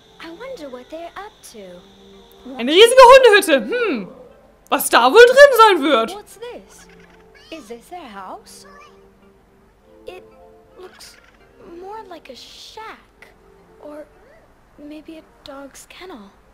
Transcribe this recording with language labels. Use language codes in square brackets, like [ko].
[en] I wonder what they're up to. [de] Eine riesige Hundehütte. Was da wohl drin sein wird? [en] What's this? Is this their house? It looks more like a shack or maybe a dog's kennel.